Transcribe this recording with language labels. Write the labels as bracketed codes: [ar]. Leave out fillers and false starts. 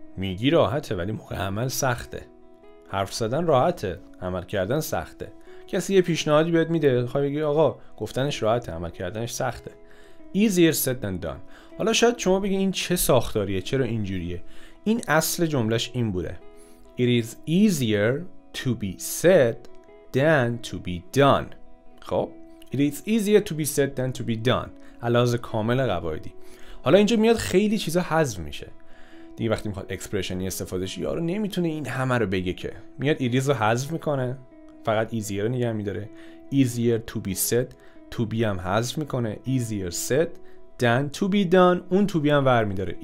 [fa] میگی راحته ولی موقع عمل سخته. حرف زدن راحته، عمل کردن سخته. کسی یه پیشنهادی بهت میده، خواهی بگی آقا گفتنش راحته، عمل کردنش سخته. [en] Easier said than done. [fa] حالا شاید شما بگی این چه ساختاریه، چرا اینجوریه؟ این اصل جملهش این بوده. [en] It is easier to be said than to be done. خب It is easier to be said than to be done. [fa] علاوه کامل قواعدی. حالا اینجا میاد خیلی چیزا حذف میشه. دیگه وقتی میخواد اکسپرشنی استفاده شه، یارو نمیتونه این همه رو بگه که. میاد ایریز رو حذف میکنه، فقط ایزیر رو نگه میداره. ایزیر تو بی سد، تو بی هم حذف میکنه. ایزیر سد دن تو بی دان، اون تو بی هم ور میداره.